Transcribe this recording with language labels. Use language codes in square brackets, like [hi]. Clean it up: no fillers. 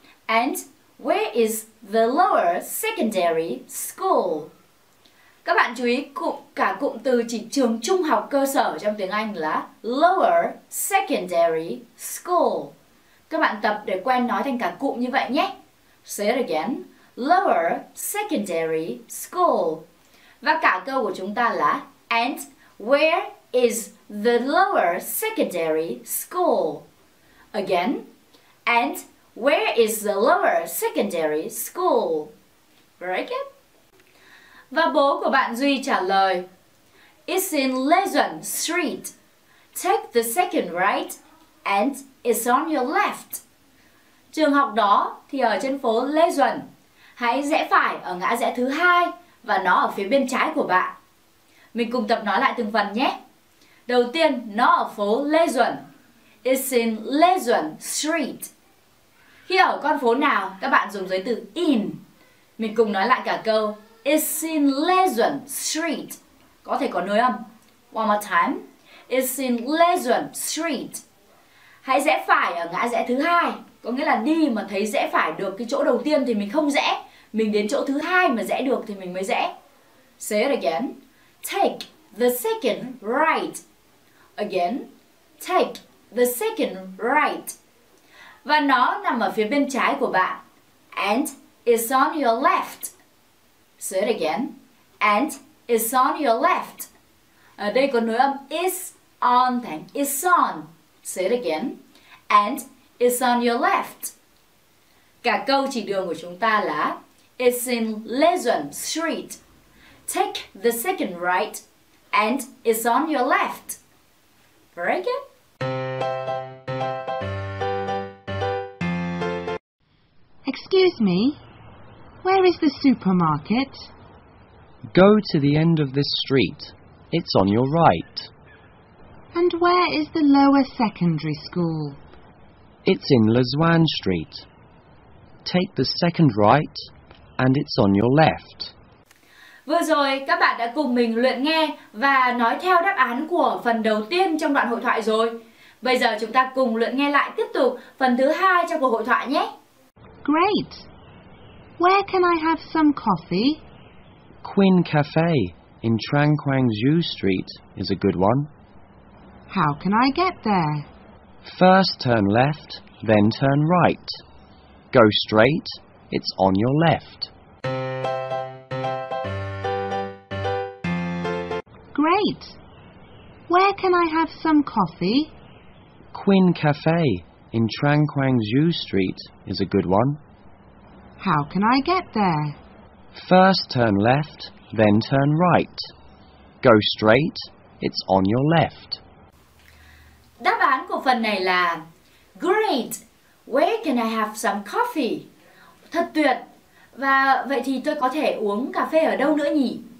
[en] And where is the lower secondary school? [vi] Các bạn chú ý cả cụm từ chỉ trường trung học cơ sở trong tiếng Anh là [en] lower secondary school. [vi] Các bạn tập để quen nói thành cả cụm như vậy nhé. [en] Say it again. Lower secondary school. [vi] Và cả câu của chúng ta là [en] and where is the lower secondary school? Again, and where is the lower secondary school? Very good. [vi] Và bố của bạn Duy trả lời, [en] it's in Lezhen Street. Take the second right and it's on your left. [vi] Trường học đó thì ở trên phố Lezhen. Hãy rẽ phải ở ngã rẽ thứ hai và nó ở phía bên trái của bạn. Mình cùng tập nói lại từng phần nhé. Đầu tiên, nó ở phố Lê Duẩn. [en] It's in Lê Duẩn Street. [vi] Khi ở con phố nào, các bạn dùng giới từ in. Mình cùng nói lại cả câu. [en] It's in Lê Duẩn Street. [vi] Có thể có nối âm. [en] One more time. It's in Lê Duẩn Street. [vi] Hãy rẽ phải ở ngã rẽ thứ hai. Có nghĩa là đi mà thấy rẽ phải được cái chỗ đầu tiên thì mình không rẽ. Mình đến chỗ thứ hai mà rẽ được thì mình mới rẽ. [en] Say it again. Take the second right. Again, take the second right. [vi] Và nó nằm ở phía bên trái của bạn. [en] And it's on your left. Say it again. And it's on your left. [vi] Ở đây có nối âm [en] is on [vi] thành [en] is on. Say it again. And it's on your left. [vi] Cả câu chỉ đường của chúng ta là [en] it's in Lezhen Street. Take the second right and it's on your left. Very good. Excuse me, where is the supermarket? Go to the end of this street. It's on your right. And where is the lower secondary school? It's in Lezhen Street. Take the second right and it's on your left. [vi] Vừa rồi, các bạn đã cùng mình luyện nghe và nói theo đáp án của phần đầu tiên trong đoạn hội thoại rồi. Bây giờ chúng ta cùng luyện nghe lại tiếp tục phần thứ hai trong cuộc hội thoại nhé. [en] Great. Where can I have some coffee? Quinn Cafe in Trang Quang Ju Street is a good one. How can I get there? First turn left, then turn right. Go straight, it's on your left. Great. Where can I have some coffee? Quinn Cafe in Trang Quang Ju Street is a good one. How can I get there? First turn left, then turn right. Go straight, it's on your left. [vi] Đáp án của phần này là [en] Great, where can I have some coffee? [vi] Thật tuyệt, và vậy thì tôi có thể uống cà phê ở đâu nữa nhỉ?